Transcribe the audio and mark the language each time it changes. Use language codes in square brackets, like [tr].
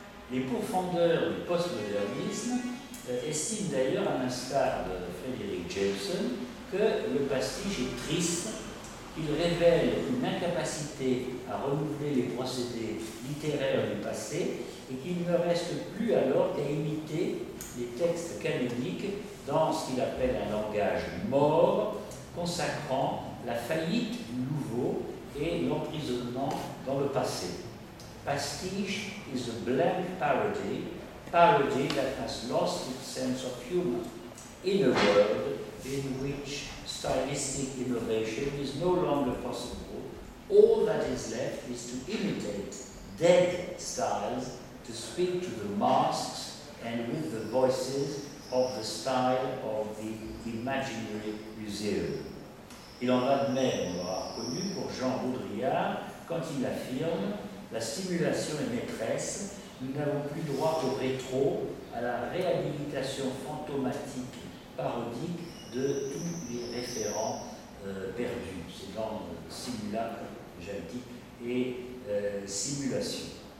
[fr] Les pourfendeurs du postmodernisme estiment d'ailleurs, à l'instar de Frédéric Jameson, que le pastiche est triste, qu'il révèle une incapacité à renouveler les procédés littéraires du passé et qu'il ne reste plus alors qu'à imiter les textes canoniques dans ce qu'il appelle un langage mort, consacrant la faillite du nouveau et l'emprisonnement dans le passé. [en] Pastiche is a blank parody, parody that has lost its sense of humor, in a world in which stylistic innovation is no longer possible, all that is left is to imitate dead styles, to speak to the masks and with the voices of the style of the imaginary museum. [fr] Il en va de même, on l'aura reconnu, pour Jean Baudrillard, quand il affirme « La stimulation est maîtresse, nous n'avons plus droit au rétro, à la réhabilitation fantomatique parodique de tous les référents perdus. » C'est dans « simulacre », j'avais dit, et « simulation ».